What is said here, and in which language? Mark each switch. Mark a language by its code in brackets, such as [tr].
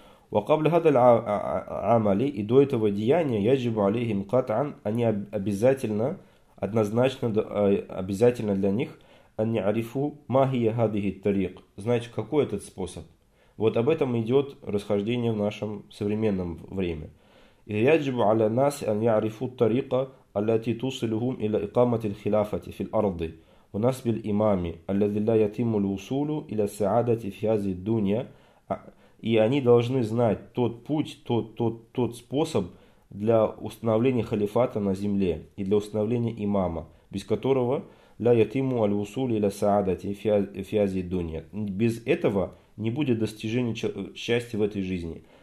[ar] Ва кабля хадаль амали, [ru] и до этого деяния, [ar] яджибу алейхим кат'ан, [ru] они обязательно, однозначно, обязательно для них, они [ar] арифу махия хадихи ат-тариқ, [ru] значит, какой этот способ, Вот об этом идет расхождение в нашем современном времени. [ar] يجب على الناس أن يعرفوا الطريقة التي توصلهم إلى إقامة الخلافة في الأرض ونصب الإمام الذي لا يتم الوصول إلى السعادة في هذه الدنيا. [ru] И они должны знать тот путь, тот способ для установления халифата на земле и для установления имама, без которого [ar] «ля ятиму аль-усули ля саадати фиази дунья». [ru] Без этого не будет достижения счастья в этой жизни.